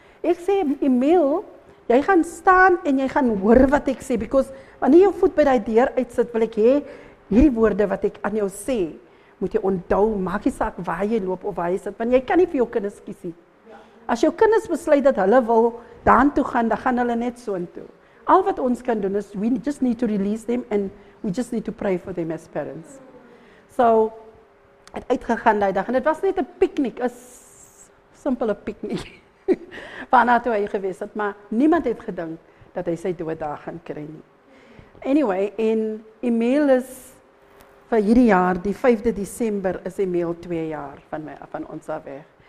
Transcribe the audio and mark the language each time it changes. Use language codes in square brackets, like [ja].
[af] Ek sê, Emil, jy gaan staan en jy gaan hoor wat ek sê, because wanneer jou voet by die deur uitsit, wil ek hê hierdie woorde wat ek aan jou sê, moet jy onthou, maak jy saak waar jy loop of waar jy sit, want jy kan nie vir jou kinders kies nie. As jou kinders besluit dat hulle wil daan toe gaan, dan gaan hulle net so intoe. Al wat ons kan doen is, [en] we just need to release them and we just need to pray for them as parents. [af] So, het uitgegaan die dag en het was net 'n piknik, 'n simpele piknik, waarna toe hy gewees het, maar niemand het gedink dat hy sy dood daar gaan kry nie. Anyway, en Emil is vir hierdie jaar, die 5de Desember, is Emil 2 jaar van my, van ons af weg.